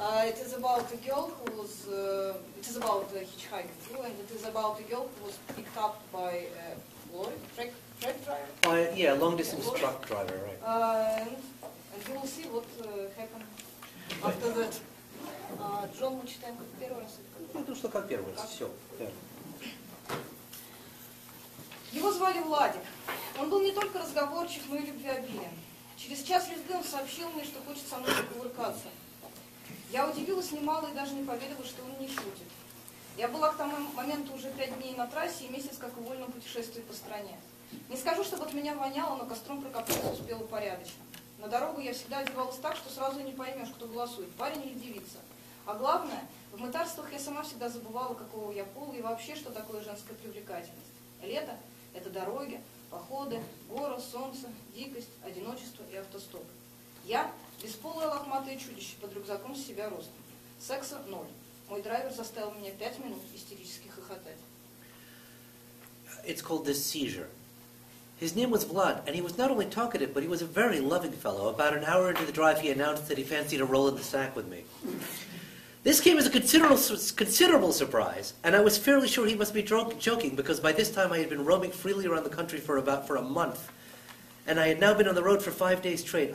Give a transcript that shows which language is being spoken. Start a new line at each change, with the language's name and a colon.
English: It is about a girl who was. It is about the hitchhiker too, and it is about a girl who was picked up by a lorry, truck driver. Yeah, long distance truck driver, right? And we will see what happened after that.
Russian: Джон, мы читаем как первый раз. Ну то что как первый раз. Все. Его звали Владик. Он был не только разговорчив, но и любвеобилен. Через час езды он сообщил мне, что хочет со мной покувыркаться. Я удивилась немало и даже не поверила, что он не шутит. Я была к тому моменту уже 5 дней на трассе и месяц как в вольном путешествии по стране. Не скажу, чтобы от меня воняло, но костром прокопаться успела порядочно. На дорогу я всегда одевалась так, что сразу не поймешь, кто голосует, парень или девица. А главное, в мытарствах я сама всегда забывала, какого я пола и вообще, что такое женская привлекательность. Лето – это дороги, походы, горы, солнце, дикость, одиночество и автостоп. Я – бесполое лохматое чудище под рюкзаком с себя ростом. Секса – ноль. Мой драйвер заставил меня 5 минут истерически хохотать.
English: It's called the seizure. His name was Vlad, and he was not only talkative, but he was a very loving fellow. About an hour into the drive, he announced that he fancied a roll in the sack with me. This came as a considerable surprise, and I was fairly sure he must be joking, because by this time I had been roaming freely around the country for a month, and I had now been on the road for 5 days straight.